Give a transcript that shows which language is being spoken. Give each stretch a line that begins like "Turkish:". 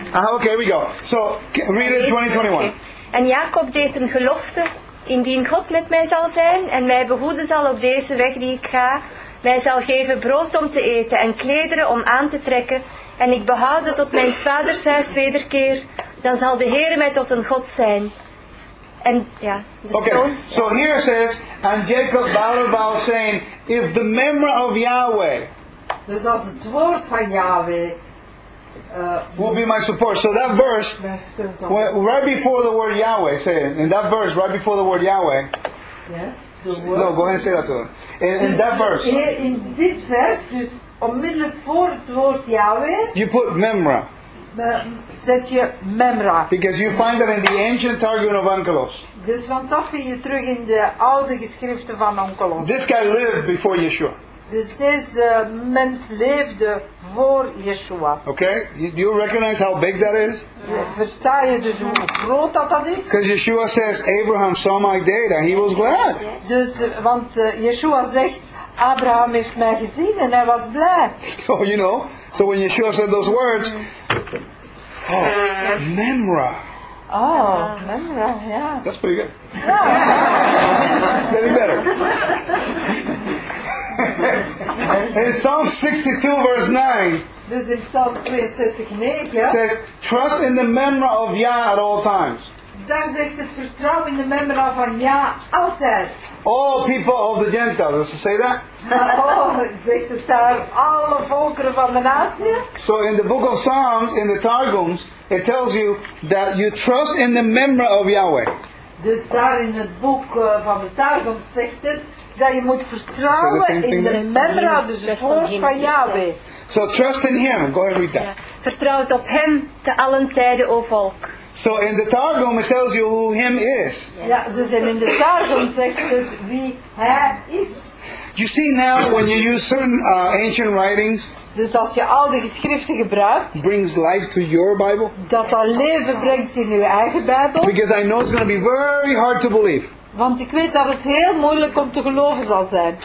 English: Okay, here we go. So read it 20:21.
Dutch: En Jacob deed een gelofte. Indien God met mij zal zijn en mij behoeden zal op deze weg die ik ga, mij zal geven brood om te eten en klederen om aan te trekken, en ik behouden tot mijn vaders huis wederkeer, dan zal de Heer mij tot een God zijn. En ja, de
English: okay.
Dutch: Stroom.
English: So here says, and Jacob bowed saying, if the memory of Yahweh,
Dutch: dus als het woord van Yahweh,
English: will be my support. So that verse, right before the word Yahweh, say it. In that verse, right before the word Yahweh. Yes. No, go ahead and say that to them. In that verse. In this verse,
Dutch: dus onmiddellijk voor het woord Yahweh.
English: You put Memra.
Dutch: Zet je Memra.
English: Because you find that in the ancient Targum of Onkelos.
Dutch: Dus want dat vind je terug in de oude geschriften van Onkelos.
English: This guy lived before Yeshua.
Dutch: Dus deze mens leefde voor Yeshua.
English: Okay, do you recognize how big that is?
Dutch: Versta je dus hoe groot dat is?
English: Because Yeshua says, Abraham saw my day, and he was glad.
Dutch: Dus, want Yeshua zegt, Abraham heeft mij gezien en hij was blij.
English: So, you know, so when Yeshua said those words, oh, Memra. Oh, Memra, yeah. That's pretty good. Yeah. Getting better. In Psalm 62, verse 9,
Dutch: dus in Psalm 62, 9,
English: it says, trust in the Memra of Yah at all times.
Dutch: Daar zegt het, vertrouw in de Memra van Yah altijd.
English: All people of the Gentiles, does it say that?
Dutch: Oh, zegt het daar, alle volkeren van de natie.
English: So in the book of Psalms, in the Targums, it tells you that you trust in the Memra of Yahweh.
Dutch: Dus daar in het boek van de Targums zegt het, dat je moet vertrouwen in de Memra, dus het woord van Yahweh.
English: So trust in him, go ahead and read that.
Dutch: Vertrouw op hem, te allen tijden, o volk.
English: So in the Targum it tells you who him is.
Dutch: Ja, dus in de Targum zegt het wie hij is.
English: You see now when you use certain ancient writings.
Dutch: Dus als je oude geschriften gebruikt.
English: Brings life to your Bible.
Dutch: Dat dat leven brengt in uw eigen Bijbel.
English: Because I know it's going to be very hard to believe.
Dutch: Want ik weet dat het heel moeilijk om te geloven zal zijn.